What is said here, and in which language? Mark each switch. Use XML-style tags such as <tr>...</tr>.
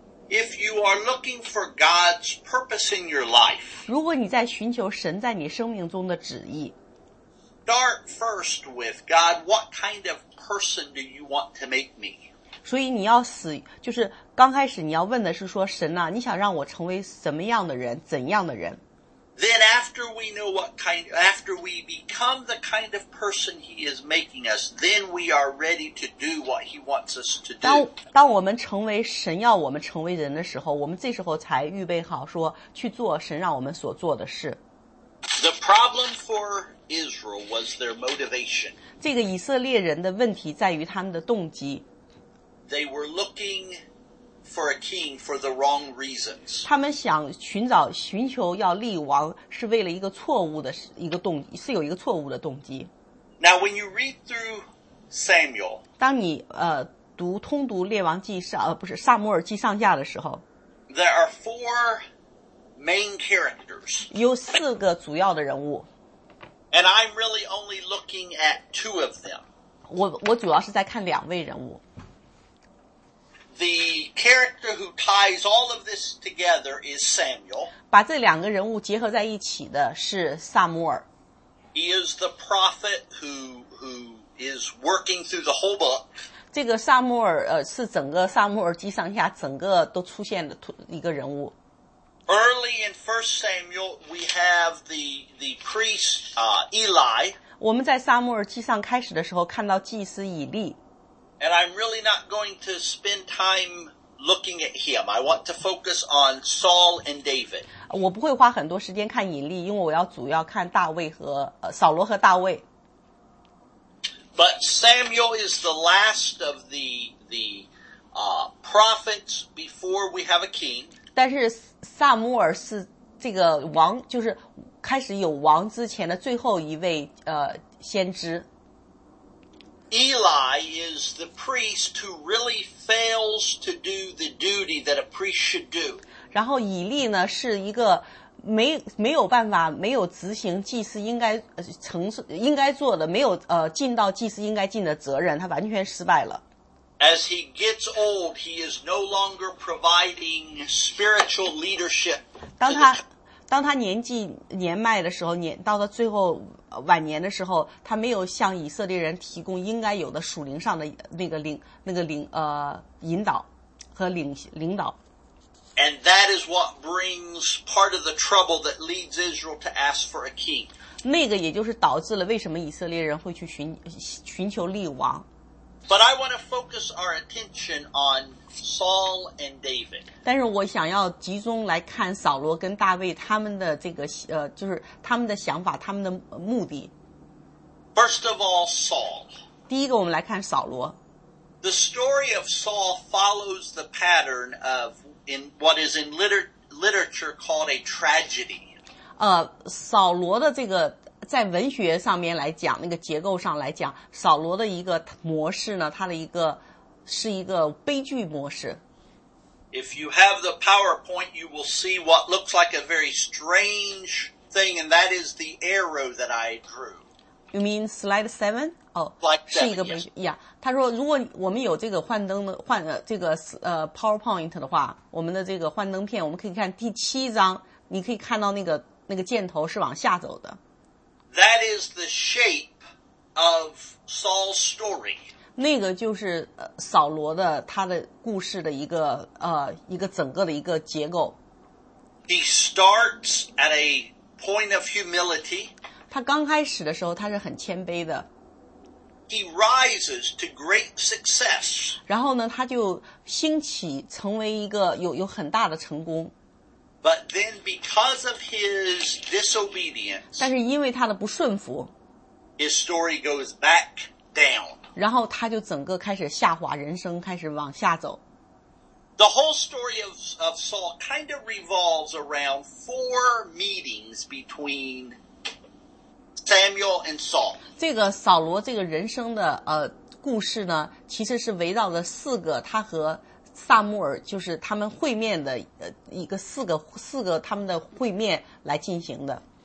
<en>If you are looking for God's purpose in your life,</en> <zh>如果你在寻求神在你生命中的旨意，</zh> <en>start first with God, what kind of person do you want to make me?</en> <zh>所以你要死，就是刚开始你要问的是说，神啊，你想让我成为什么样的人，怎样的人？</zh> <en>Then after we know what kind, after we become the kind of person he is making us, then we are ready to do what he wants us to do.</en> <zh>当我们成为神要我们成为人的时候，我们这时候才预备好说去做神让我们所做的事。</zh> <en>The problem for Israel was their motivation.</en> <zh>这个以色列人的问题在于他们的动机。</zh> <en>They were looking for a king for the wrong reasons.</en> <zh>他们想寻找寻求要立王是为了一个错误的一个动机，是有一个错误的动机。</zh> <en>Now when you read through Samuel,</en> <zh>当你读通读列王记上不是撒母耳记上下的时候，</zh> <en>there are four main characters.</en> <zh>有四个主要的人物。</zh> <en>And I'm really only looking at two of them.</en> <zh>我主要是在看两位人物。</zh> <en>The character who ties all of this together is Samuel.</en> <zh>把这两个人物结合在一起的是撒母耳。</zh> <en>He is the prophet who is working through the whole book.</en> <zh>这个撒母耳是整个撒母耳记上下整个都出现的一个人物。</zh> <en>Early in 1 Samuel, we have the priest, Eli.</en> <zh>我们在撒母耳记上开始的时候看到祭司以利。</zh> <en>And I'm really not going to spend time looking at him. I want to focus on Saul and David.</en> <zh>我不会花很多时间看以利，因为我要主要看大卫和扫罗和大卫。</zh> <en>But Samuel is the last of the prophets before we have a king.</en> <zh>但是撒母耳是这个王，就是开始有王之前的最后一位先知。</zh> <en>Eli is the priest who really fails to do the duty that a priest should do.</en> <zh>然后以利呢是一个没有办法没有执行祭司应该承受应该做的没有尽到祭司应该尽的责任，他完全失败了。</zh> <en>As he gets old, he is no longer providing spiritual leadership.</en> <zh>当他年纪年迈的时候，到了最后晚年的时候，他没有向以色列人提供应该有的属灵上的引导和领导。</zh> <en>And that is what brings part of the trouble that leads Israel to ask for a king.</en> <zh>那个也就是导致了为什么以色列人会去寻求立王。</zh> <en>But I want to focus our attention on Saul and David.</en> <zh>但是我想要集中来看扫罗跟大卫他们的这个就是他们的想法，他们的目的。</zh> <en>First of all, Saul.</en> <zh>第一个我们来看扫罗。</zh> <en>The story of Saul follows the pattern of in what is in literature called a tragedy.</en> <zh>扫罗的这个在文学上面来讲，那个结构上来讲，扫罗的一个模式呢，它的一个是一个悲剧模式。</zh> <en>If you have the PowerPoint, you will see what looks like a very strange thing, and that is the arrow that I drew. You mean slide 7? Oh, slide 7,</en> <zh>是一个悲剧。</zh> <en>Yes.</en> <zh>Yeah, 他说，如果我们有这个幻灯的幻这个PowerPoint 的话，我们的这个幻灯片，我们可以看第七章，你可以看到那个箭头是往下走的。</zh> <en>That is the shape of Saul's story.</en> <zh>那个就是扫罗的他的故事的一个整个的一个结构。</zh> <en>He starts at a point of humility.</en> <zh>他刚开始的时候他是很谦卑的。</zh> <en>He rises to great success.</en> <zh>然后呢他就兴起成为一个有很大的成功。</zh> <en>But then because of his disobedience,</en> <zh>但是因为他的不顺服</zh> <en>his story goes back down.</en> <zh>然后他就整个开始下滑，人生开始往下走。</zh> <en>The whole story of Saul kind of revolves around four meetings between Samuel and Saul.</en> <zh>这个扫罗这个人生的故事呢，其实是围绕了四个他和萨穆尔，就是他们会面的一个四个他们的会面来进行的。</zh>